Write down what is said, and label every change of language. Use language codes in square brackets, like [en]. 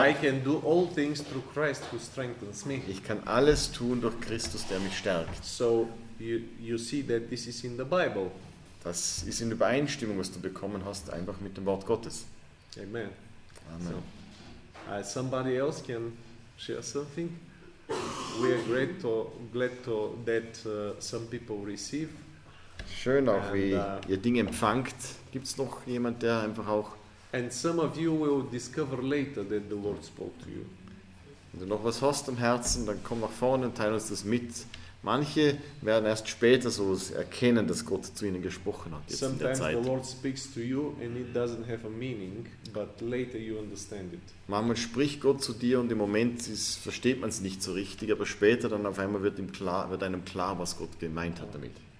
[en] I can do all things through Christ who strengthens me. [de] Ich kann alles tun durch Christus, der mich stärkt. [en] So you see that this is in the Bible. [de] Das ist in Übereinstimmung, was du bekommen hast, einfach mit dem Wort Gottes. Amen. Amen. [en] So, somebody else can share something. We are glad to that some people receive. [de] Schön auch, wie ihr Dinge empfangt. Gibt es noch jemand, der einfach auch... [en] And some of you will discover later that the Lord spoke to you. [de] Wenn du noch was hast im Herzen, dann komm nach vorne und teile uns das mit. Manche werden erst später so erkennen, dass Gott zu ihnen gesprochen hat. [en] Sometimes the Lord speaks to you and it doesn't have a meaning, but later you understand it. [de] Manchmal spricht Gott zu dir und im Moment versteht man es nicht so richtig, aber später dann auf einmal wird einem klar, was Gott gemeint hat damit.